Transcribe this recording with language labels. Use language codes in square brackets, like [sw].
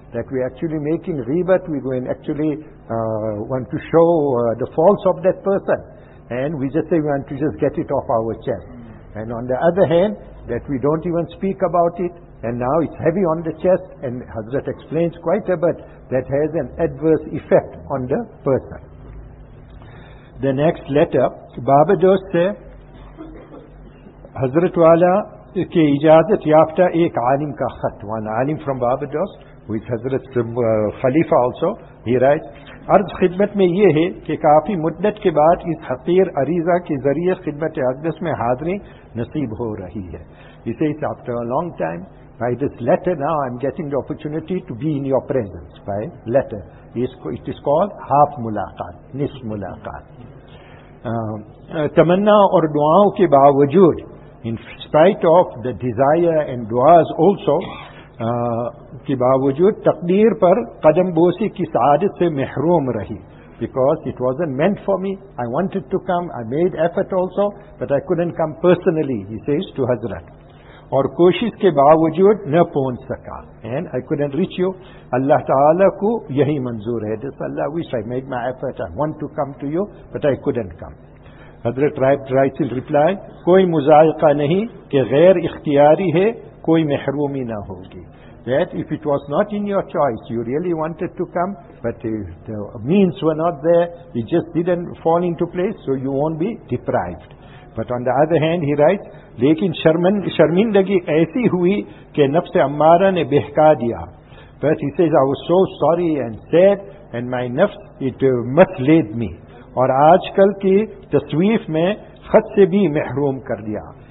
[en] That we actually make in ghibat, we go and actually want to show the faults of that person. And we just say we want to just get it off our chest. And on the other hand, that we don't even speak about it, and now it's heavy on the chest, and Hazrat explains quite a bit, that has an adverse effect on the person. The next letter, [ur] Baba Dost se, Hazrat Wala ke ijazat yafta ek alim ka khat, [en] one alim from Baba Dost, who is Hazrat Khalifa also, he writes, [ur] عرض خدمت میں یہ ہے کہ کافی مدت کے بعد اس حقیر عریضہ کے ذریعے خدمت اقدس میں حاضری نصیب ہو رہی ہے. [en] He says, after a long time, by this letter now I'm getting the opportunity to be in your presence by letter. It is called half ملاقات, [ur] نصف ملاقات. تمنا اور دعاؤں کے باوجود, [en] in spite of the desire and duas also, [ur] کی باوجود تقدیر پر قدم بوسی کی سعادت سے محروم رہی. [en] Because it wasn't meant for me, I wanted to come, I made effort also, but I couldn't come personally, he says to Hazrat. [ur] اور کوشش کے باوجود نہ پہنچ سکا. [en] And I couldn't reach you. [ur] اللہ تعالیٰ کو یہی منظور ہے. [en] This Allah wish I made my effort, I want to come to you, but I couldn't come. Hazrat writes in reply, [ur] کوئی مزائقہ نہیں کہ غیر اختیاری ہے, کوئی محرومی نہ ہوگی. [en] That if it was not in your choice, you really wanted to come, but the means were not there, it just didn't fall into place, so you won't be deprived. But on the other hand, he writes, [ur] لیکن شرمندگی ایسی ہوئی کہ نفس امارہ نے بہکا دیا. [en] But he says, I was so sorry and sad, and my nafs, it mislead me. [ur] اور آج کل کی تصویف میں خط سے بھی محروم کر دیا.